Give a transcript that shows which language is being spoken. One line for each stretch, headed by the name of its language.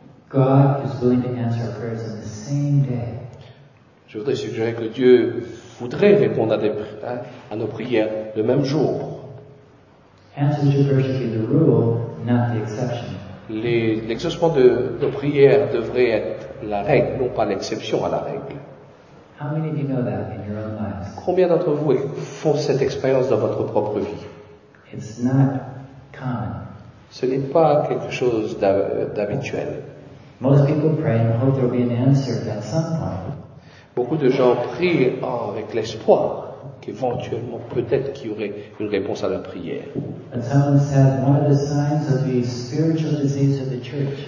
English: God is willing to answer our prayers on the same day.
French: Je voudrais suggérer que Dieu voudrait répondre à nos prières le même jour.
English: Answers your prayers should be the rule, not the exception.
French: L'exaucement de nos prières devrait être la règle, non pas l'exception à la règle.
English: How many of you know that in your own lives?
French: Combien d'entre vous font cette expérience dans votre propre vie?
English: It's not common.
French: Ce n'est pas quelque chose d'habituel.
English: Most people pray and hope there will be an answer at some point.
French: Beaucoup de gens prient avec l'espoir qu'éventuellement, peut-être qu'il y aurait une réponse à leur prière.
English: And someone said one of the signs of the spiritual disease of the church.